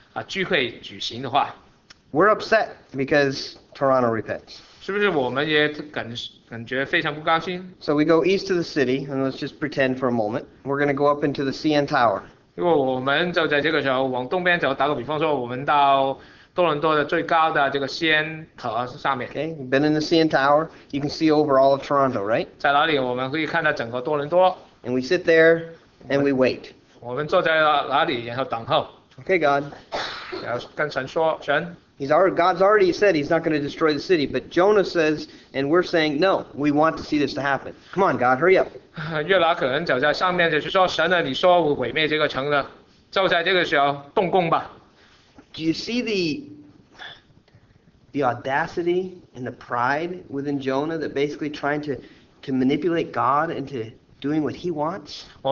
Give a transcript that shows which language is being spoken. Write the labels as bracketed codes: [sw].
[zh] 然后我们发现多伦多的市长他带领所有人来到认罪悔改，披麻等等的事情来到鼓励，有很多这样的认罪悔改的聚会举行的话。 [en] We're upset because Toronto repents. [zh] 是不是我们也感觉非常不高兴？ [en] So we go east of the city, and let's just pretend for a moment. We're going to go up into the CN Tower. [zh] 如果我们就在这个时候往东边走，打个比方说，我们到多伦多的最高的这个CN塔上面。 [en] Okay, you've been in the CN Tower. You can see over all of Toronto, right? [zh] 在哪里我们可以看到整个多伦多。 [en] And we sit there, and we wait. [zh] 我们坐在哪里，然后等候。 [en] Okay, God. [zh] 然后跟神说，神。 [en] God's already said he's not going to destroy the city, but Jonah says, and we're saying, no, we want to see this to happen. Come on, God, hurry up. [zh] 约拿可能走在上面，就是说，神啊，你说我毁灭这个城了，就在这个时候动工吧。 [en] Do you see the audacity and the pride within Jonah that basically trying to manipulate God into doing what he wants?